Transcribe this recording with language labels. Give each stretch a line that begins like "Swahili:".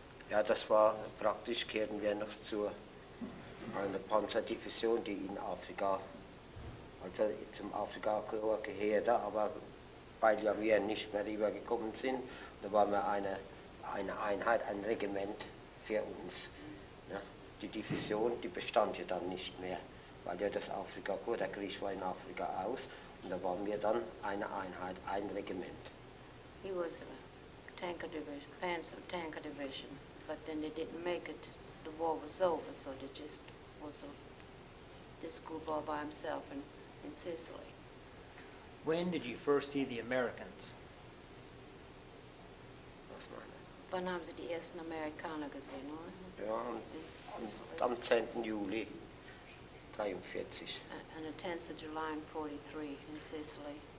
German: Ja, das war praktisch, kehrten wir noch zu einer Panzerdivision, die in Afrika, also zum Afrika-Korps gehörte, aber weil wir nicht mehr rübergekommen sind, da waren wir eine Einheit, ein Regiment für uns. Ja, die Division, die bestand ja dann nicht mehr, weil ja das Afrika-Korps, der Krieg war in Afrika aus, und da waren wir dann eine Einheit, ein Regiment.
English: He was a tanker division, Panzer tanker division. But then they didn't make it, the war was over, so they just was this group all by himself in Sicily. When did you first see the Americans?
German: Wann haben Sie die ersten Amerikaner gesehen, oder? Ja, am 10. Juli 43.
English: On the 10th of July in 43 in Sicily.